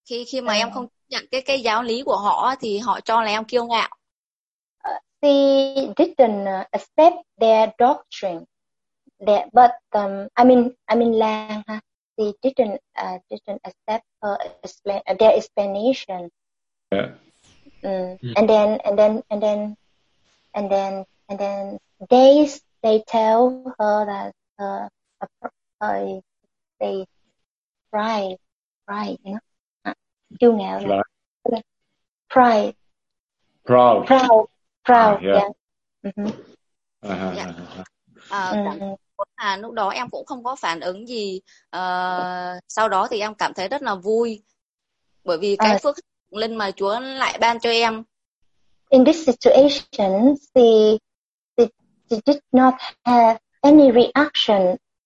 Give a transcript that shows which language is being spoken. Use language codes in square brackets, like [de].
[vi] Khi mà em không nhận cái giáo lý của họ thì họ cho là em kiêu ngạo. [en] She didn't accept their doctrine, but Lang, huh? She didn't accept her their explanation. Yeah. And then they tell her that they pride, you know, you know, proud. Proud, yeah. Mm-hmm. Uh-huh. Yeah. Uh-huh. Mm-hmm. Là [vi] à lúc đó em cũng không có phản ứng gì. Sau đó thì em cảm thấy rất là vui bởi vì cái phước linh mà Chúa lại ban cho em. [en] In this situation, she did not have any reaction.